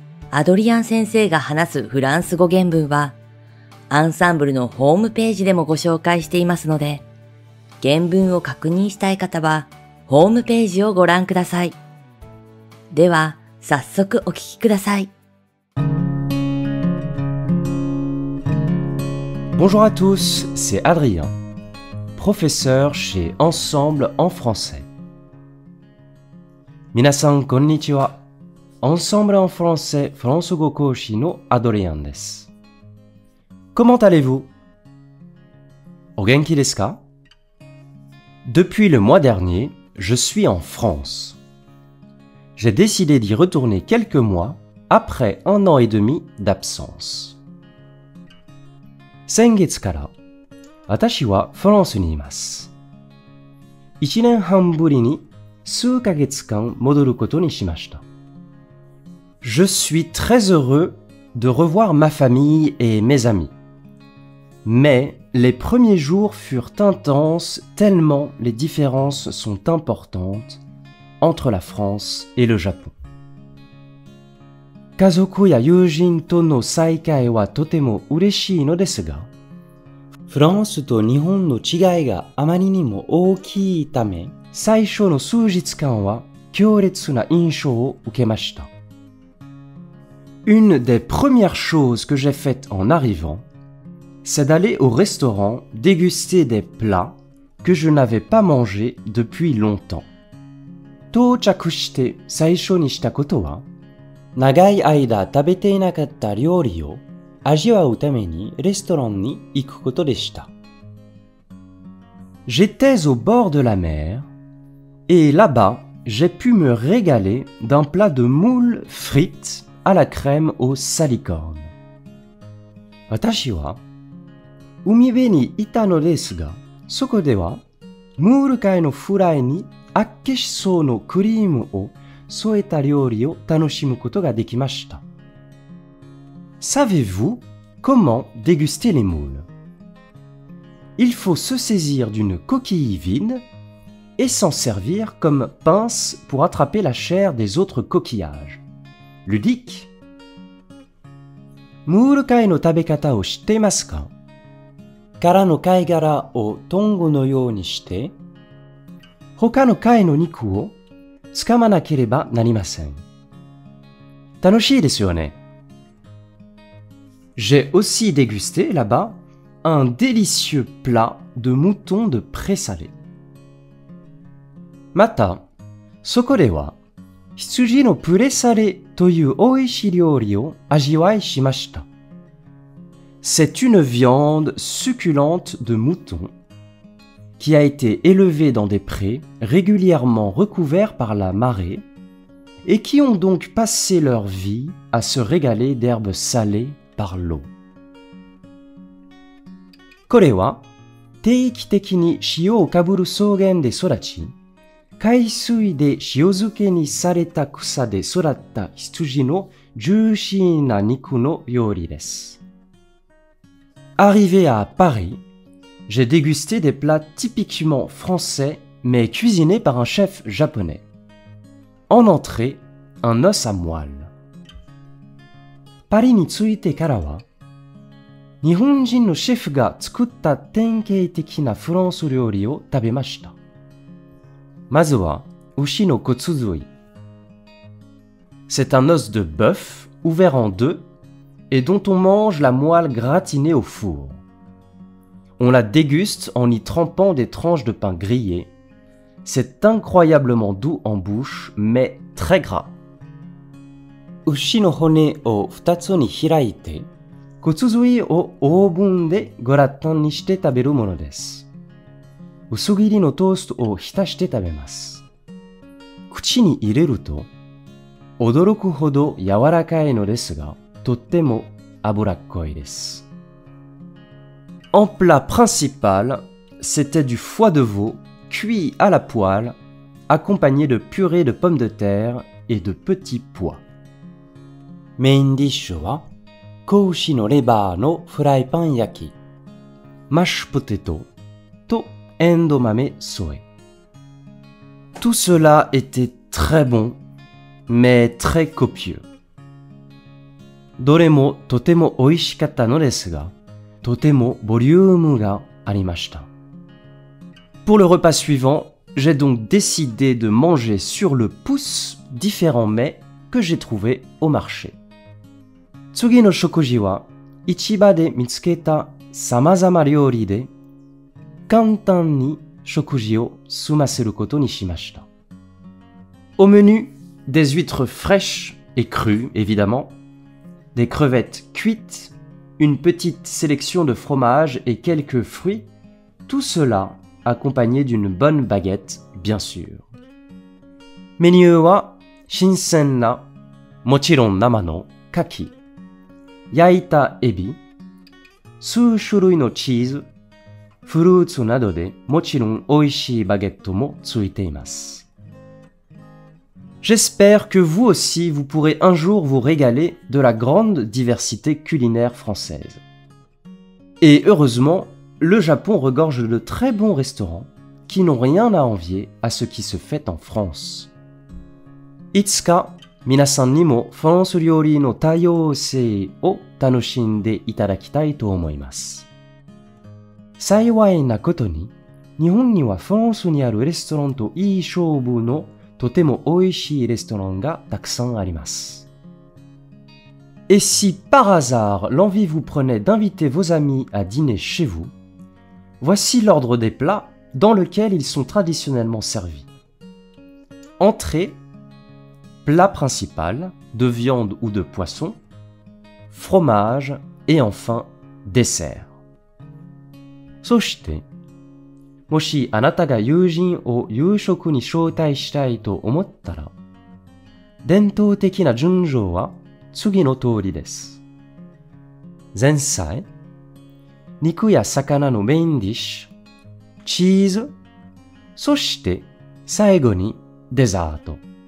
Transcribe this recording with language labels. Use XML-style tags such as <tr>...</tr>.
<ja>アドリアン先生が話すフランス語原文はアンサンブルのホームページでもご紹介していますので、原文を確認したい方はホームページをご覧ください。では、早速お聞きください。</ja> <fr>Bonjour à tous, c'est Adrien, professeur chez Ensemble en français.</fr> <ja>皆さん、こんにちは。 Ensemble en français, フランス語講師のアドリアンです。</ja> <fr>Comment allez-vous?</fr> <ja>お元気ですか?</ja> <fr>Depuis le mois dernier,Je suis en France. J'ai décidé d'y retourner quelques mois après un an et demi d'absence.</fr> <ja>先月から私はフランスにいます。 1年半ぶりに数ヶ月間戻ることにしました。</ja> <fr>Je suis très heureux de revoir ma famille et mes amis. Mais... Les premiers jours furent intenses tellement les différences sont importantes entre la France et le Japon.</fr> <ja>家族や友人との再会はとても嬉しいのですが、フランスと日本の違いがあまりにも大きいため、最初の数日間は強烈な印象を受けました。</ja> <fr>Une des premières choses que j'ai faites en arrivant,C'est d'aller au restaurant déguster des plats que je n'avais pas mangé depuis longtemps.</fr> <ja>到着して最初にしたことは、長い間食べていなかった料理を味わうためにレストランに行くことでした。</ja> <fr>J'étais au bord de la mer et là-bas j'ai pu me régaler d'un plat de moules frites à la crème au salicorne.</fr> <ja>私は海辺にいたのですが、そこではムール貝のフライにアッケシソウのクリームを添えた料理を楽しむことができました。</ja> <fr>Savez-vous comment déguster les moules? Il faut se saisir d'une coquille vide et s'en servir comme pince pour attraper la chair des autres coquillages. Ludique?</fr> <ja>ムール貝の食べ方を知っていますか? 殻の貝殻をトングのようにして、他の貝の肉をつかまなければなりません。楽しいですよね。</ja> <fr>J'ai aussi dégusté là-bas un délicieux plat de mouton de présalé.</fr> <ja>また、そこでは羊のプレサレという美味しい料理を味わいしました。</ja> <fr>C'est une viande succulente de mouton qui a été élevée dans des prés régulièrement recouverts par la marée et qui ont donc passé leur vie à se régaler d'herbes salées par l'eau.</fr> <ja>これは定期的に塩をかぶる草原で育ち、海水で塩漬けにされた草で育った羊のジューシーな肉の料理です。</ja> <fr>Arrivé à Paris, j'ai dégusté des plats typiquement français mais cuisinés par un chef japonais. En entrée, un os à moelle.</fr> <ja>パリに着いてからは、日本人のシェフが作った典型的なフランス料理を食べました。まずは、牛の骨髄。</ja> <fr>C'est un os de bœuf ouvert en deux. Et dont on mange la moelle gratinée au four. On la déguste en y trempant des tranches de pain grillé, C'est incroyablement doux en bouche, mais très gras.</fr> <ja>牛の骨を2つに開いて、骨髄をオーブンでグラタンにして食べるものです。薄切りのトーストを浸して食べます。口に入れると、驚くほど柔らかいのですが、とっても脂っこいです。</ja> <fr>En plat principal, c'était du foie de veau cuit à la poêle, accompagné de purée de pommes de terre et de petits pois.</fr> <ja>メインディッシュは、子牛のレバーのフライパン焼き。マッシュポテトとエンド豆添え。</ja> <fr>Tout cela était très bon, mais très copieux.</fr> <ja>どれもとても美味しかったのですが、とてもボリュームがありました。</ja> <fr>Pour le repas suivant, j'ai donc décidé de manger sur le pouce différents mets que j'ai trouvés au marché.</fr> <ja>次の食事は、市場で見つけた様々な料理で、簡単に食事を済ませることにしました。</ja> <fr>Au menu, des huîtres fraîches et crues, évidemment, des crevettes cuites,une petite sélection de fromage et quelques fruits, tout cela accompagné d'une bonne baguette, bien sûr.</fr> <ja>メニューは新鮮な、もちろん生の牡蠣、焼いたエビ、数種類のチーズ、フルーツなどでもちろん美味しいバゲットもついています。</ja> <fr>J'espère que vous aussi vous pourrez un jour vous régaler de la grande diversité culinaire française. Et heureusement, le Japon regorge de très bons restaurants qui n'ont rien à envier à ce qui se fait en France.</fr> <ja>いつか皆さんにもフランス料理の多様性を楽しんでいただきたいと思います。幸いなことに、日本にはフランスにあるレストランといい勝負のとても美味しいレストランがたくさんあります。</ja> <fr>Et si par hasard l'envie vous prenait d'inviter vos amis à dîner chez vous, voici l'ordre des plats dans lequel ils sont traditionnellement servis. Entrée, plat principal de viande ou de poisson, fromage et enfin dessert.</fr> <ja>そしてもしあなたが友人を夕食に招待したいと思ったら、伝統的な順序は次の通りです。前菜、肉や魚のメインディッシュ、チーズ、そして最後にデザート。</ja>